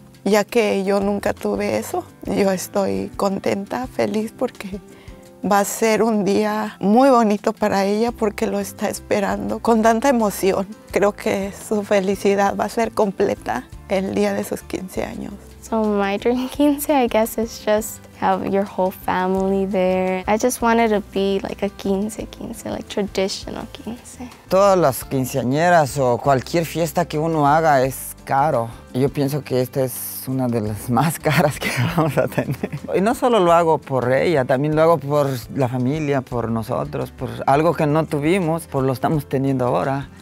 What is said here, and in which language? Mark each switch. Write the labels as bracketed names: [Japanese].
[Spanish] Ya que yo nunca tuve eso, yo estoy contenta, feliz, porque va a ser un día muy bonito para ella, porque lo está esperando con tanta emoción. Creo que su felicidad va a ser completa el día de sus 15 años. [English] So my dream quince, I guess, is just have your whole family there. I just wanted to be like a quince, like traditional quince. [Spanish] Todas las quinceañeras o cualquier fiesta que uno haga es caro. Yo pienso que esta es una de las más caras que vamos a tener. Y no solo lo hago por ella, también lo hago por la familia, por nosotros, por algo que no tuvimos, pues lo estamos teniendo ahora.